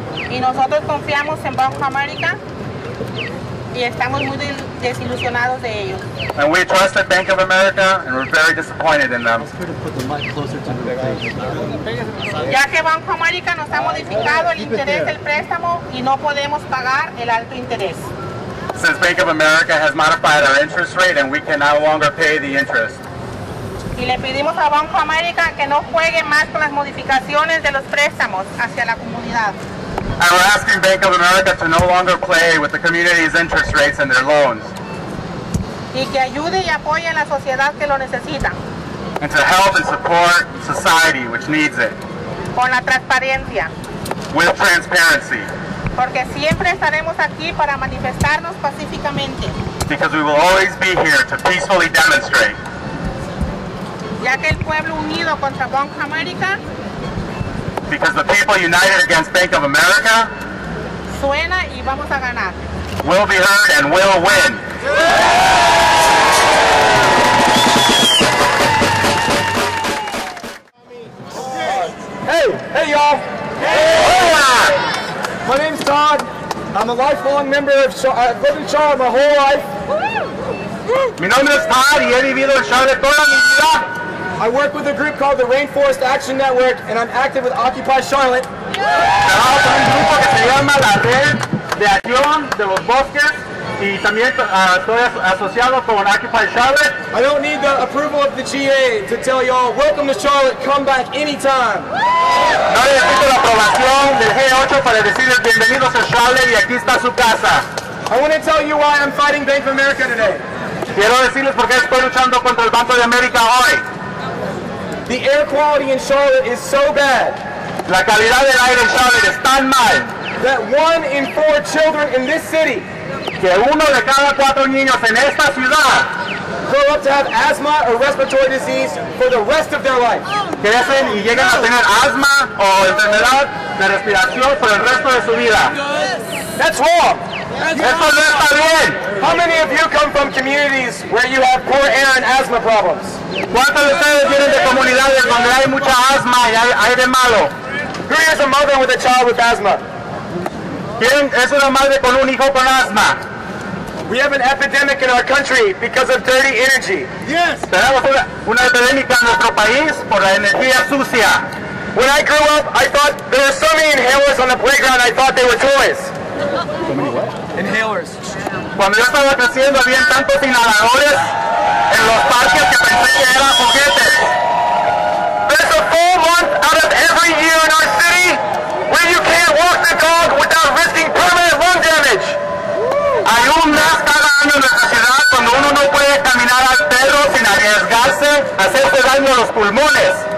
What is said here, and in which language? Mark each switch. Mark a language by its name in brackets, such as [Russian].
[Spanish] Y nosotros confiamos en Bank of America y estamos muy desilusionados de ellos. [English] And we trusted Bank of America and we're very disappointed in them. [Spanish] Ya que Bank of America nos ha modificado el interés del préstamo y no podemos pagar el alto interés. [English] Since Bank of America has modified our interest rate and we can no longer pay the interest. [Spanish] Y le pedimos a Bank of America que no juegue más con las modificaciones de los préstamos hacia la comunidad. [English] And we're asking Bank of America to no longer play with the community's interest rates and their loans. [Spanish] Y que ayude y apoye a la sociedad que lo necesita. [English] And to help and support society which needs it. [Spanish] Con la transparencia. [English] With transparency. [Spanish] Porque siempre estaremos aquí para manifestarnos pacíficamente. [English] Because we will always be here to peacefully demonstrate. [Spanish] Ya que el pueblo unido contra Bank of America. [English] Because the people united against Bank of America [Spanish] suena y vamos a ganar. [English] Will be heard and will win. Hey, y'all. Hey. My name's Todd. I'm a lifelong member of Living Charlotte my whole life. Woo. [Spanish] Mi nombre es Todd y he vivido en Charlotte toda mi vida. [English] I work with a group called the Rainforest Action Network and I'm active with Occupy Charlotte. [Spanish] Trabajo con un grupo que se llama la Red de Acción de los Bosques y también estoy asociado con Occupy Charlotte. [English] I don't need the approval of the GA to tell y'all, welcome to Charlotte, come back anytime. [Spanish] No necesito la aprobación del G8 para decirles bienvenidos a Charlotte y aquí está su casa. [English] I want to tell you why I'm fighting Bank of America today. [Spanish] Quiero decirles por qué estoy luchando contra el Banco de América hoy. [English] The air quality in Charlotte is so bad. [Spanish] La calidad del aire en Charlotte es tan mal. [English] That one in four children in this city. [Spanish] Que uno de cada cuatro niños en esta ciudad. [English] Grow up to have asthma or respiratory disease for the rest of their life. [Spanish] Crecen y llegan a tener asma o enfermedad de respiración por el resto de su vida. [English] That's wrong. [Spanish] Eso no está bien. [English] How many of you come from communities where you have poor air and asthma problems? [Spanish] ¿Cuántos de ustedes vienen de comunidades donde hay mucha asma y hay de malo? [English] Who is a mother with a child with asthma? [Spanish] ¿Quién es una madre con un hijo con asma? [English] We have an epidemic in our country because of dirty energy. Yes. [Spanish] Tenemos una epidemia en nuestro país por la energía sucia. [English] When I grew up, I thought there were so many inhalers on the playground, I thought they were toys. Inhalers. [Spanish] Cuando yo estaba creciendo había tantos inhaladores en los parques que pensé que eran juguetes. [English] There's a full month out of every year in our city where you can't walk the dog without risking permanent lung damage. [Spanish] Hay un mes cada año en nuestra ciudad cuando uno no puede caminar al perro sin arriesgarse a hacerse daño a los pulmones.